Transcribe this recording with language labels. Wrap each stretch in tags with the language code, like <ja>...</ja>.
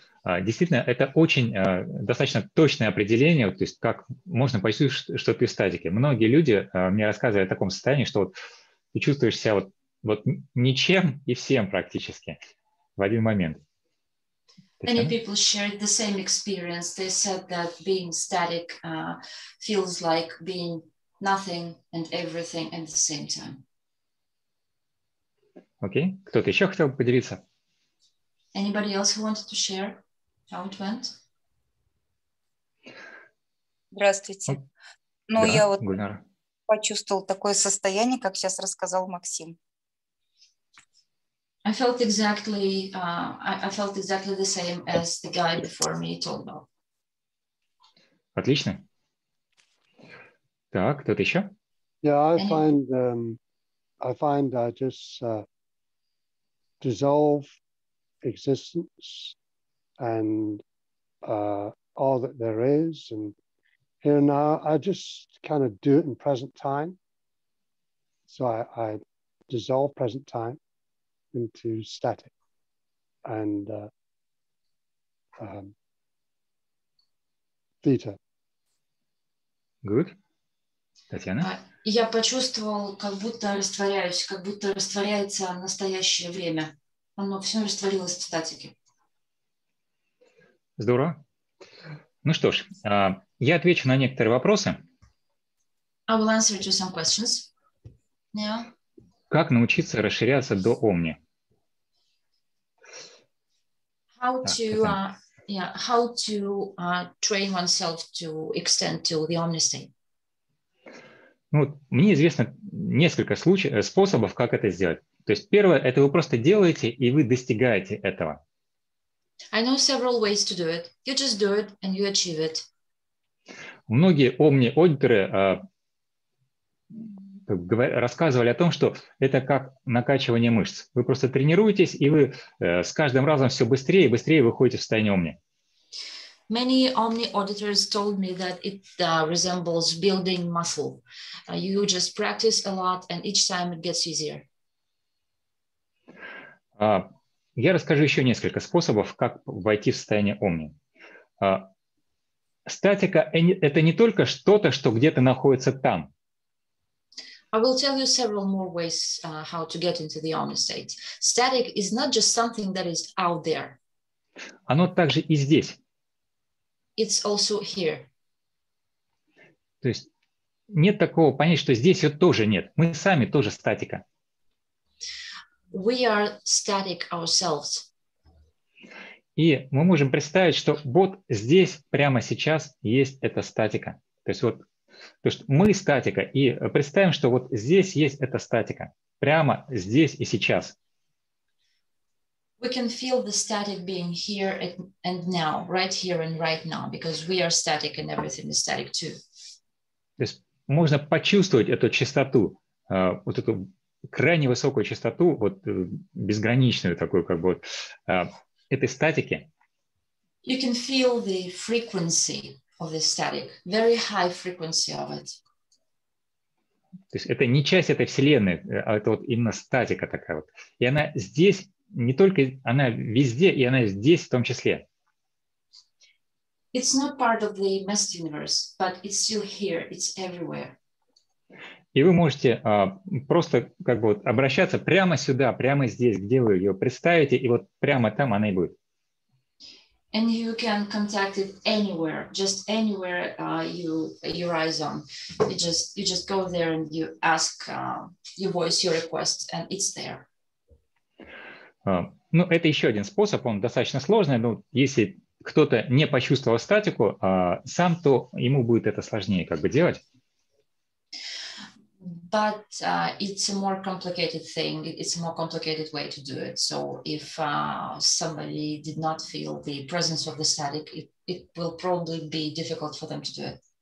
<ru>Действительно, это очень достаточно точное определение, то есть как можно почувствовать, что ты в статике. Многие люди мне рассказывали о таком состоянии, что вот ты чувствуешь себя вот ничем и всем практически в один момент.</ru> <en>Many people shared the same experience. They said that being static feels like being nothing and everything at the same time.</en> <ru>Окей. Кто-то еще хотел бы поделиться?</ru> <en>Anybody else who wanted to share how it went?</en> <ru>Здравствуйте. Я вот Гульнара. Почувствовал такое состояние, как сейчас рассказал Максим.</ru> <en>I felt exactly the same as the guy before me told about.</en> <ru>Отлично. Так, кто-то еще?</ru> <en>Yeah, I find I just dissolve existence and all that there is, and here and now I just kind of do it in present time. So I dissolve present time into static, and theta. Good. Татьяна?</en> <ru>Я почувствовал, как будто растворяюсь, как будто растворяется настоящее время. Оно все растворилось в статике. Здорово. Ну что ж, я отвечу на некоторые вопросы.</ru> <en>I will answer to some questions. Yeah.</en> <ru>Как научиться расширяться до омни?</ru> <en>How to train oneself to extend to the omnistate?</en> <ru>Ну, вот, мне известно несколько способов, как это сделать. То есть первое, это вы просто делаете, и вы достигаете этого.</ru> <en>I know several ways to do it. You just do it, and you achieve it.</en> <ru>Многие омни-аудиторы рассказывали о том, что это как накачивание мышц. Вы просто тренируетесь, и вы с каждым разом все быстрее и быстрее выходите в состояние омни.</ru> <en>Many omni auditors told me that it resembles building muscle. You just practice a lot, and each time it gets easier.</en> <ru>Я расскажу еще несколько способов, как войти в состояние омни. Статика – это не только что-то, что где-то находится там.</ru> <en>I will tell you several more ways how to get into the omni state. Static is not just something that is out there.</en> <ru>Оно также и здесь.</ru> <en>It's also here.</en> <ru>То есть нет такого понятия, что здесь ее тоже нет. Мы сами тоже статика.</ru> <en>We are static ourselves.</en> <ru>И мы можем представить, что вот здесь, прямо сейчас, есть эта статика. То есть вот то, что мы статика, и представим, что вот здесь есть эта статика, прямо здесь и сейчас.</ru> <en>We can feel the static being here and now, right here and right now, because we are static and everything is static too.</en> <ru>То есть можно почувствовать эту частоту, вот эту крайне высокую частоту, вот безграничную такую, как бы вот, этой статики.</ru> <en>You can feel the frequency of the static, very high frequency of it.</en> <ru>То есть это не часть этой вселенной, а это вот именно статика такая вот. И она здесь. Не только она везде, и она здесь в том числе.</ru> <en>It's not part of the mass universe, but it's still here, it's everywhere.</en> <ru>И вы можете просто как бы вот обращаться прямо сюда, прямо здесь, где вы ее представите, и вот прямо там она и будет.</ru> <en>And you can contact it anywhere, just anywhere your eyes on. You just go there and you ask, you voice your request, and it's there.</en> <ru>Ну, это еще один способ, он достаточно сложный, но если кто-то не почувствовал статику, сам, то ему будет это сложнее как бы делать.</ru> <en>But it's a more complicated thing. It's a more complicated way to do it. So if somebody did not feel the presence of the static, it will probably be difficult for them to do it.</en>